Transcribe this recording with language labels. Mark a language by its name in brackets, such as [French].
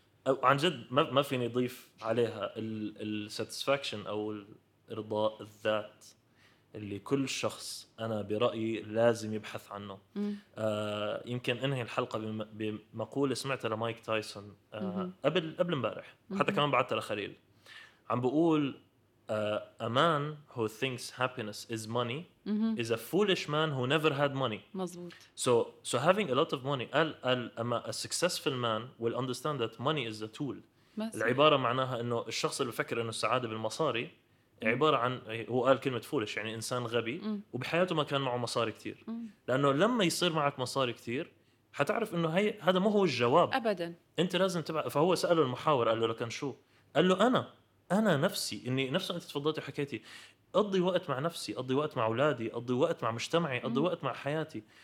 [Arabic] عن جد ما فيني أضيف عليها الـ satisfaction أو الرضا الذات اللي كل شخص أنا برأيي لازم يبحث عنه. يمكن أنهي الحلقة بمقولة سمعتها لمايك تايسون قبل مبارح، حتى كمان بعدتها لخليل، عم بقول [English] A man who thinks happiness is money is a foolish man who never had money. [Arabic] مزبوط. [English] So having a lot of money, a successful man will understand that money is a tool. [Arabic] العبارة معناها إنه الشخص اللي بفكر إنه السعادة بالمصاري عبارة عن، هو قال كلمة foolish يعني إنسان غبي، وبحياته ما كان معه مصاري كتير. لأنه لما يصير معك مصاري كتير هتعرف إنه هذا ما هو الجواب أبدا. أنت لازم تبع. فهو سأله المحاور، قال له لكن شو؟ قال له أنا نفسي، إني نفسه أنت تفضلتي وحكيتي، أقضي وقت مع نفسي، أقضي وقت مع أولادي، أقضي وقت مع مجتمعي، أقضي وقت مع حياتي.